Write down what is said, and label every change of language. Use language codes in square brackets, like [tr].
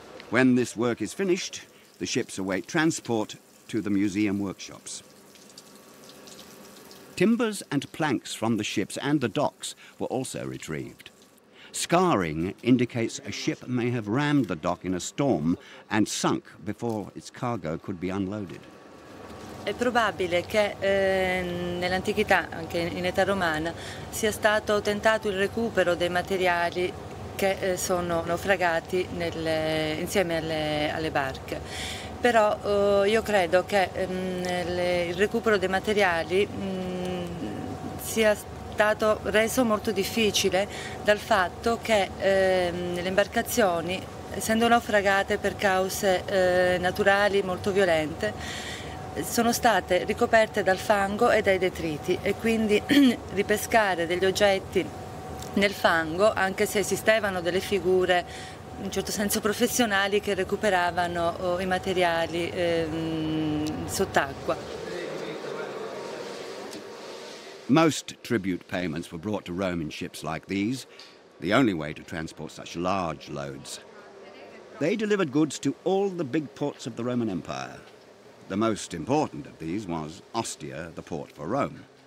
[en] When this work is finished, the ships await transport to the museum workshops. Timbers and planks from the ships and the docks were also retrieved. Scarring indicates a ship may have rammed the dock in a storm and sunk before its cargo could be unloaded. [it] È probabile che nell'antichità, anche in età romana, sia stato tentato il recupero dei materiali che sono naufragati insieme alle barche. Però io credo che il recupero dei materiali sia stato reso molto difficile dal fatto che le imbarcazioni, essendo naufragate per cause naturali molto violente, sono state ricoperte dal fango e dai detriti e quindi ripescare degli oggetti nel fango, anche se esistevano delle figure in certo senso professionali che recuperavano i materiali sott'acqua. [en] Most tribute payments were brought to Rome in ships like these, the only way to transport such large loads. They delivered goods to all the big ports of the Roman Empire. The most important of these was Ostia, the port for Rome.